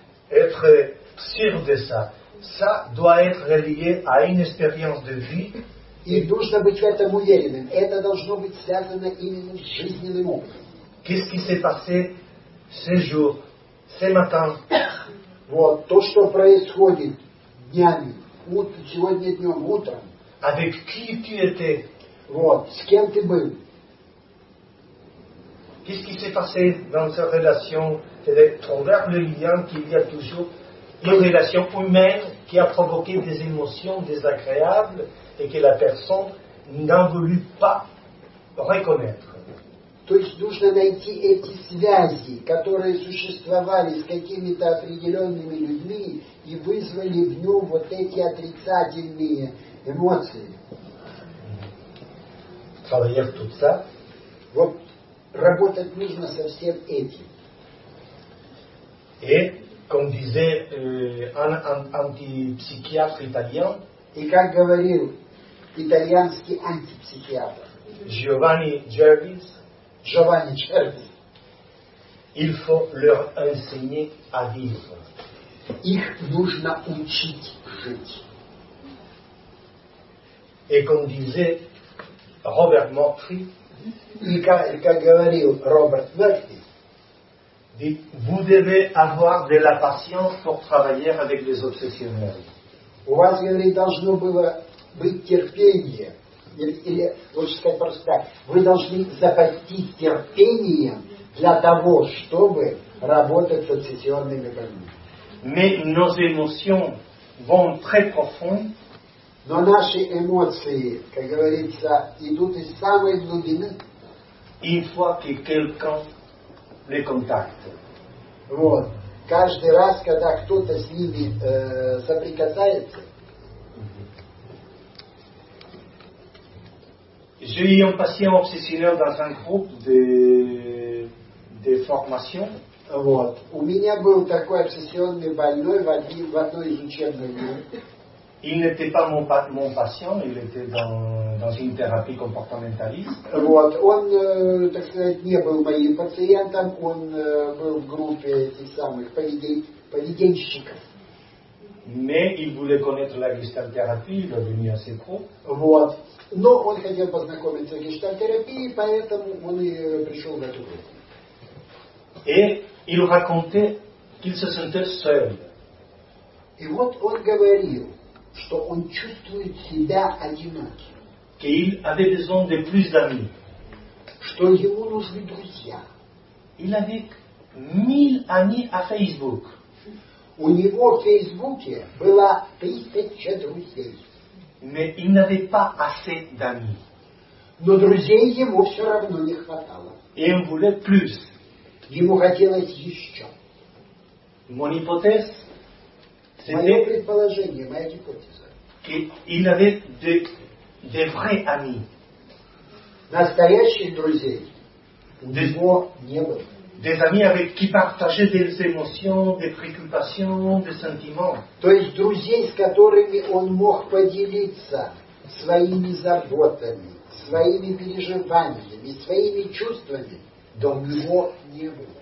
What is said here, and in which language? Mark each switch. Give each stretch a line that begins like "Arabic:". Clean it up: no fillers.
French: Être sûr de ça, ça doit être relié à une expérience de vie.
Russian: И нужно быть в этом уверенным. Это должно быть связано именно с жизненным опытом.
French: Qu'est-ce qui s'est passé ce jour, ce matin?
Russian: Вот, то, что происходит днями, сегодня днем, утром.
French: Avec qui tu étais?
Russian: Вот, с кем ты был?
French: Qu'est-ce qui s'est passé dans cette relation? C'est envers le lien qu'il y a toujours une relation humaine qui a provoqué des émotions désagréables et que la personne n'a voulu pas reconnaître.
Russian: То есть нужно найти эти связи, которые существовали с какими-то определенными людьми и вызвали в нем вот эти отрицательные эмоции.
French: Travailler tout ça.
Russian: Вот работать нужно со всем этим.
French: Et, comme disait un antipsychiatre italien,
Russian: и как говорил итальянский антипсихиатр
French: Giovanni Gervis,
Russian: Giovanni Cervi.
French: Il faut leur enseigner à vivre.
Russian: Их нужно учить жить.
French: Et comme disait Robert Murphy,
Russian: как говорил Robert Murphy,
French: dit, vous devez avoir de la patience pour travailler avec les obsessionnels.
Russian: У вас, говорит, должно было быть терпение. Или лучше сказать просто так. Вы должны запастись терпением для того, чтобы работать с обсессионными больными.
French: Mais nos émotions vont très profond.
Russian: Но наши эмоции, как говорится, идут из самой глубины.
French: Une fois que quelqu'un les contacte.
Russian: Вот. Каждый раз, когда кто-то с ними соприкасается,
French: j'ai eu un patient obsessionnel dans un groupe de formation.
Russian: Вот. У меня был такой обсессионный больной в одной из учебных групп.
French: Il n'était pas mon patient, il était dans une thérapie comportementaliste.
Russian: Вот. Он, так сказать, не был моим пациентом, он был в группе этих самых поведенщиков.
French: Mais il voulait connaître la gestalt-thérapie, il est venu à ses cours.
Russian: Вот. Но он хотел познакомиться с гештальт-терапией, поэтому он и пришел в эту группу.
French: Et il racontait qu'il se sentait seul.
Russian: И вот он говорил, что он чувствует себя одиноким.
French: Qu'il avait besoin de plus d'amis.
Russian: Что ему нужны друзья.
French: Il avait 1000 amis à Facebook.
Russian: У него в Фейсбуке было 1000 друзей.
French: Mais il n'avait pas assez d'amis.
Russian: Но друзей ему все равно не хватало.
French: Et il voulait plus.
Russian: Ему хотелось еще.
French: Mon hypothèse, c'était
Russian: мое предположение, моя гипотеза.
French: Qu'il avait de vrais amis.
Russian: Настоящих друзей у него не было.
French: Des amis avec qui partager des émotions, des préoccupations, des sentiments.
Russian: То есть друзей, с которыми он мог поделиться своими заботами, своими переживаниями, своими чувствами, до него не было.